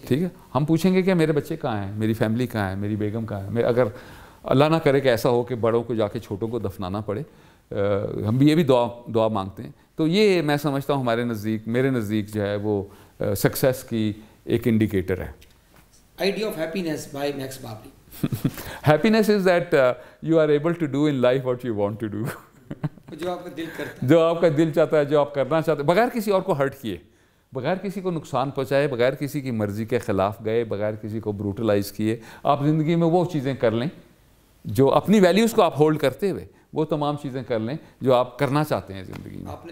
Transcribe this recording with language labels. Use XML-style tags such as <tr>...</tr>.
<ur>ٹھیک ہے ہم پوچھیں گے کہ میرے بچے کہاں ہیں, میری فیملی کہاں ہے, میری بیگم کہاں ہے. میں اگر اللہ نہ کرے کہ ایسا ہو کہ بڑوں کو جا کے چھوٹوں کو دفنانا پڑے, ہم بھی یہ بھی دعا مانگتے ہیں. تو یہ میں سمجھتا ہوں ہمارے نزدیک, میرے نزدیک جو ہے وہ سکسیس کی ایک انڈیکیٹر ہے.</ur> <en>Idea of happiness by Max Babri. Happiness is that you are able to do in life what you want to do.</en> <ur>جو آپ کا دل کرتا ہے, جو آپ کا دل چاہتا ہے, جو آپ کرنا چاہتے ہیں, بغیر کسی اور کو ہرٹ کیے, بغیر کسی کو نقصان پہنچائے, بغیر کسی کی مرضی کے خلاف گئے, بغیر کسی کو بروٹلائز کیے, آپ زندگی میں وہ چیزیں کر لیں جو اپنی ویلیوز کو آپ ہولڈ کرتے ہوئے, وہ تمام چیزیں کر لیں جو آپ کرنا چاہتے ہیں زندگی میں.</ur>